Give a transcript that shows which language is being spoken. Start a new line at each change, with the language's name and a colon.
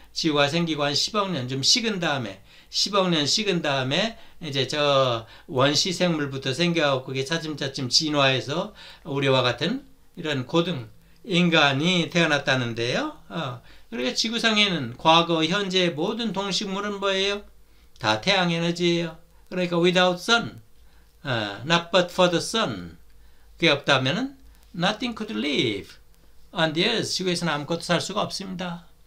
Korean: 지구가 생기고 한 10억 년좀 식은 다음에, 10억 년 식은 다음에 이제 저 원시 생물부터 생겨가고 그게 차츰차츰 진화해서 우리와 같은 이런 고등 인간이 태어났다는데요. 그러니까 지구상에는 과거, 현재 모든 동식물은 뭐예요? 다 태양 에너지예요. 그러니까
English: without sun, not but for the sun,
Korean: 그게 없다면은
English: nothing could live on the earth.
Korean: 지구에서는 아무것도 살 수가 없습니다.